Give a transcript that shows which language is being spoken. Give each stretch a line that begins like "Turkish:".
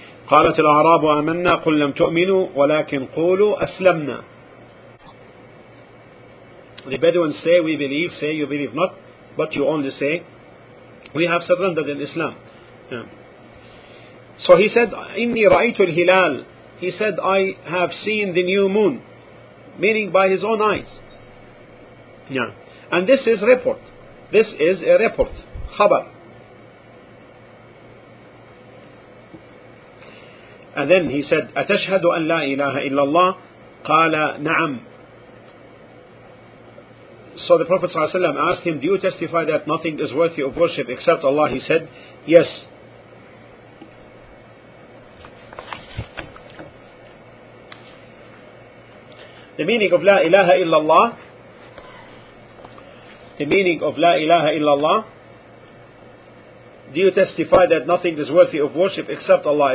Arabic: قالت الأعراب آمنا قل لم تؤمنوا ولكن قولوا أسلمنا.
English: The Bedouins say, we believe, say, you believe not, but you only say, we have surrendered in Islam. So he said, إني رأيت الهلال. He said, I have seen the new moon, meaning by his own eyes. Yeah. And this is report. This is a report. Khabar. And then he said,
Arabic: أتشهد أن لا إله إلا الله؟ قال نعم.
English: So the Prophet ﷺ asked him, do you testify that nothing is worthy of worship except Allah? He said, yes. The meaning of La ilaha illallah, the meaning of La ilaha illallah, do you testify that nothing is worthy of worship except Allah?